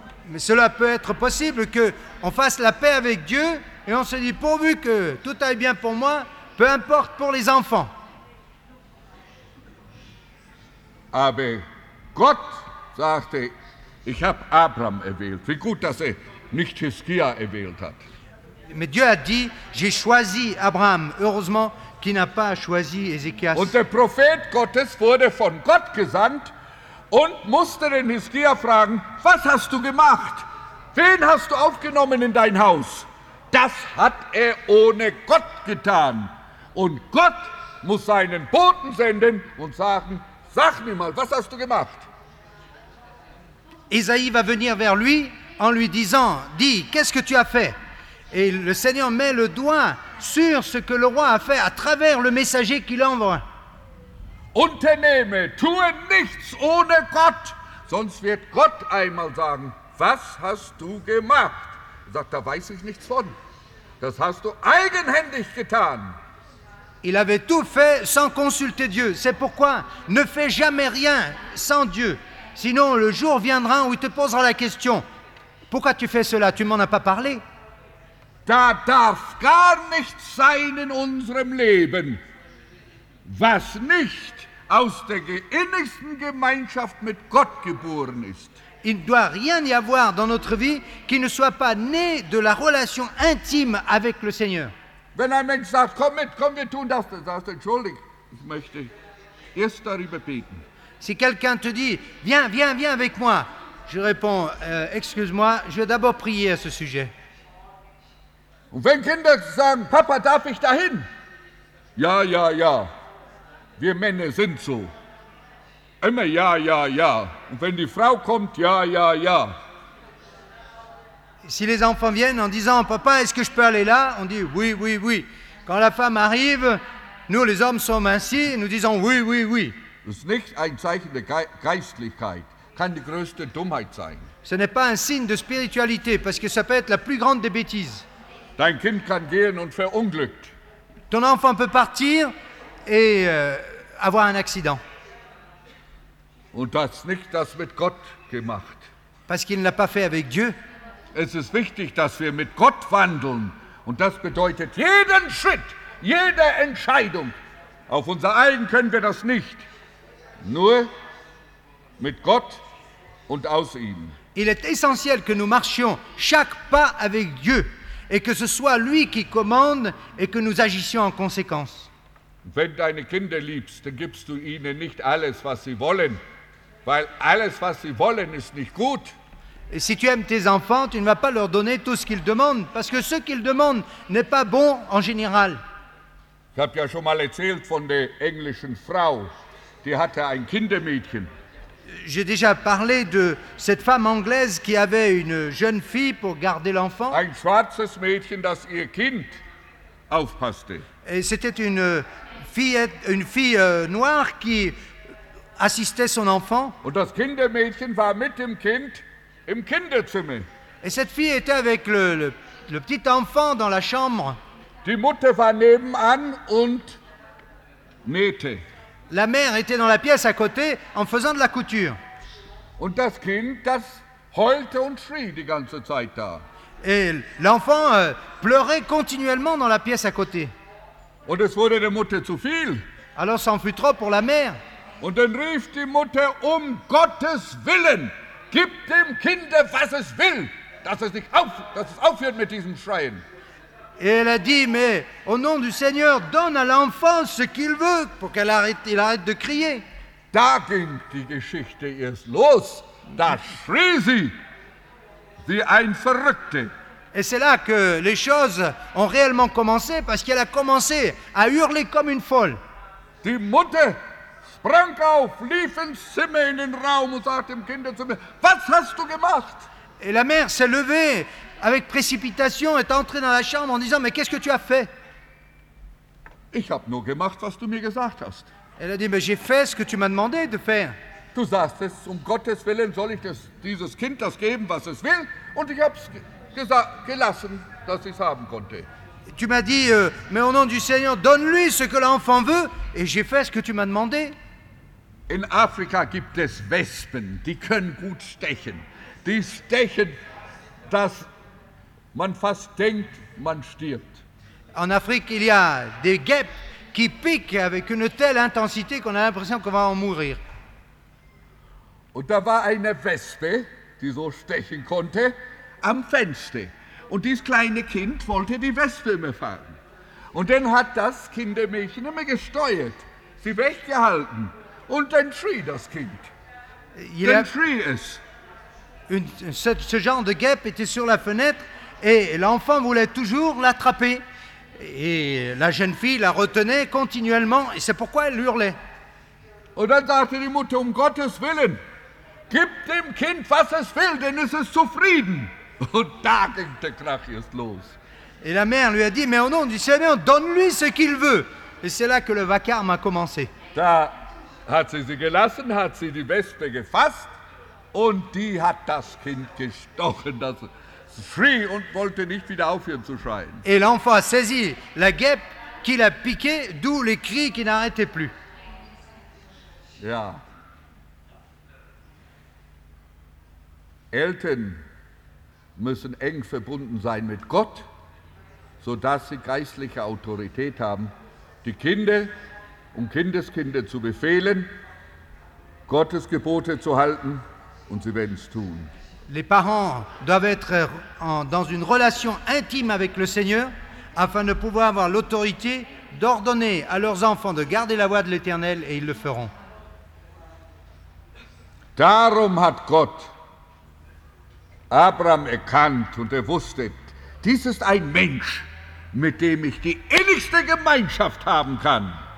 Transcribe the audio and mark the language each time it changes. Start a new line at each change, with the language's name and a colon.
French: Mais cela peut être possible qu'on fasse la paix avec Dieu et on se dit, pourvu que tout aille bien pour moi, peu importe pour les enfants.
German: Aber Gott sagte, ich habe Abraham erwählt. Wie gut, dass nicht Hiskia erwählt hat.
French: Mais Dieu a dit, j'ai choisi Abraham. Heureusement qu'il n'a pas choisi Ézéchias.
German: Und der Prophet Gottes wurde von Gott gesandt, und musste den Hiskia fragen, was hast du gemacht? Wen hast du aufgenommen in dein Haus? Das hat ohne Gott getan. Und Gott muss seinen Boten senden und sagen, sag mir mal, was hast du gemacht?
French: Esaïe va venir vers lui en lui disant, dis, qu'est-ce que tu as fait? Et le Seigneur met le doigt sur ce que le roi a fait à travers le messager qu'il envoie.
German: Unternehme, tue nichts ohne Gott, sonst wird Gott einmal sagen, was hast du gemacht? Er sagt, da weiß ich nichts von. Das hast du eigenhändig getan.
French: Il avait tout fait sans consulter Dieu. C'est pourquoi ne fais jamais rien sans Dieu. Sinon, le jour viendra où il te posera la question. Pourquoi tu fais cela? Tu m'en as pas parlé.
German: Da darf gar nichts sein in unserem Leben, was nicht aus der innigsten Gemeinschaft mit Gott geboren ist.
French: Il ne doit rien y avoir dans notre vie qui ne soit pas né de la relation intime avec le Seigneur.
German: Wenn ein Mensch sagt, komm mit, komm, wir tun das, dann sagst du, entschuldige, ich möchte erst darüber beten.
French: Si quelqu'un te dit, viens, viens, viens avec moi, je réponds, excuse-moi, je vais d'abord prier à ce sujet.
German: Und wenn Kinder sagen, Papa, darf ich dahin? Ja, ja, ja. Wir Männer sind so. Immer ja, ja, ja. Und wenn die Frau kommt, ja, ja, ja.
French: Si les enfants viennent en disant, Papa, est-ce que je peux aller là? On dit, oui, oui, oui. Quand la femme arrive, nous, les hommes, sommes ainsi, nous disons, oui, oui, oui.
German: Das ist nicht ein Zeichen der Geistlichkeit. Kann die größte Dummheit sein.
French: Ce n'est pas un signe de spiritualité, parce que ça peut être la plus grande des bêtises.
German: Dein Kind kann gehen und verunglückt.
French: Ton enfant peut partir et avoir un accident.
German: Und das nicht das mit Gott gemacht.
French: Parce qu'il ne l'a pas fait avec Dieu.
German: Es ist wichtig, dass wir mit Gott wandeln. Und das bedeutet jeden Schritt, jede Entscheidung. Auf unser eigen können wir das nicht. Nur mit Gott und aus ihm.
French: Il est essentiel que nous marchions chaque pas avec Dieu. Et que ce soit lui qui commande et que nous agissions en conséquence.
German: Wenn deine Kinder liebst, dann gibst du ihnen nicht alles, was sie wollen, weil alles, was sie wollen, ist nicht gut.
French: Et si tu aimes tes enfants, tu ne vas pas leur donner tout ce qu'ils demandent, parce que ce qu'ils demandent n'est pas bon en général.
German: Ich habe ja schon mal erzählt von der englischen Frau, die hatte ein Kindermädchen.
French: J'ai déjà parlé de cette femme anglaise qui avait une jeune fille pour garder l'enfant.
German: Ein schwarzes Mädchen, das ihr Kind aufpasste.
French: Et c'était une fille noire qui assistait son enfant.
German: Und das Kindermädchen war mit dem Kind im Kinderzimmer.
French: Et cette fille était avec le petit enfant dans la chambre.
German: Die Mutter war nebenan und nähte.
French: La mère était dans la pièce à côté en faisant de la couture.
German: Und das Kind, das heulte und schrie die ganze Zeit da.
French: Et l'enfant pleurait continuellement dans la pièce à côté.
German: Und es wurde der Mutter zu viel.
French: Alors ça en fut trop pour la mère.
German: Und dann rief die Mutter, um Gottes Willen, gib dem Kind, was es will, dass es aufhört mit diesem Schreien.
French: Et elle a dit, mais au nom du Seigneur, donne à l'enfant ce qu'il veut pour qu'il arrête de crier.
German: Da ging die Geschichte erst los. Da schrie sie wie ein Verrückte.
French: Et c'est là que les choses ont réellement commencé, parce qu'elle a commencé à hurler comme une folle.
German: Die Mutter sprang auf, lief ins Zimmer in den Raum und sagte dem Kinderzimmer, was hast du gemacht?
French: Et la mère s'est levée avec précipitation, est entrée dans la chambre en disant, mais qu'est-ce que tu as fait?
German: Ich hab nur gemacht, was du mir gesagt hast.
French: Elle a dit, mais j'ai fait ce que tu m'as demandé de faire.
German: Du sagst es, um Gottes Willen soll ich dieses Kind das geben, was es will, und ich hab's gelassen, dass ich's haben konnte.
French: Tu m'as dit, mais au nom du Seigneur, donne-lui ce que l'enfant veut, et j'ai fait ce que tu m'as demandé.
German: In Afrika gibt es Wespen, die können gut stechen. Die stechen, dass man fast denkt, man stirbt.
French: En Afrique, il y a des guêpes qui piquent avec une telle intensité qu'on a l'impression qu'on va en mourir.
German: Und da war eine Wespe, die so stechen konnte, am Fenster. Und dieses kleine Kind wollte die Wespe immer fangen. Und dann hat das Kindermädchen immer gesteuert, sie weggehalten. Und dann schrie das Kind.
French: Ce genre de guêpe était sur la fenêtre et l'enfant voulait toujours l'attraper. Et la jeune fille la retenait continuellement et c'est pourquoi elle hurlait.
German: Und dann sagte die Mutter, um Gottes Willen, gib dem Kind, was es will, denn es ist zufrieden. Und da ging der Krach erst los.
French: Et la mère lui a dit, mais au nom du Seigneur, donne-lui ce qu'il veut. Et c'est là que le vacarme a commencé.
German: Da hat sie gelassen, hat sie die Wespe gefasst und die hat das Kind gestochen, das schrie und wollte nicht wieder aufhören zu schreien.
French: Et l'enfant a saisi la guêpe qu'il a piqué, d'où les cris qui n'arrêtaient plus.
German: Ja. Eltern müssen eng verbunden sein mit Gott, sodass sie geistliche Autorität haben, die Kinder und Kindeskinder zu befehlen, Gottes Gebote zu halten, und sie werden es tun.
French: Les parents doivent être dans une relation intime avec le Seigneur afin de pouvoir avoir l'autorité d'ordonner à leurs enfants de garder la voie de l'Éternel et ils le feront.
German: Darum hat Gott Abraham erkannt und er wusste, dies ist ein Mensch, mit dem ich die innigste Gemeinschaft haben kann.